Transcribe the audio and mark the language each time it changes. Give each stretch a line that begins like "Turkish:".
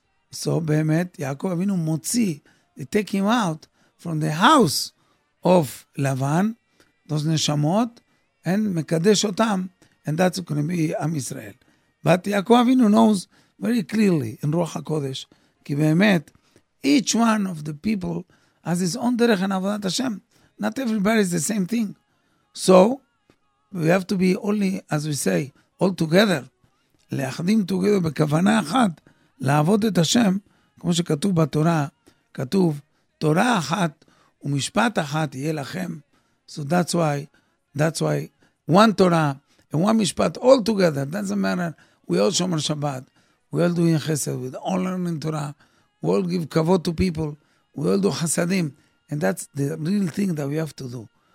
English: So, behemet, Yaakov Avinu motzi, they take him out from the house of Lavan, those neshamot, and mekadesh otam, and that's going to be Am Israel. But Yaakov Avinu knows very clearly in Ruach HaKodesh, ki behemet, each one of the people has his own derech and avodat Hashem. Not everybody is the same thing. So, we have to be only, as we say, all together,
Hebrew: להחדים together בכוונה אחת, לעבוד את השם, כמו שכתוב בתורה, כתוב, תורה אחת ומשפט אחת יהיה לכם.
English: So that's why, one Torah and one משפט, all together, doesn't matter, we all שומר שבת, we all doing חסד, we all learning Torah, we all give כבוד to people, we all do חסדים, and that's the real thing that we have to do.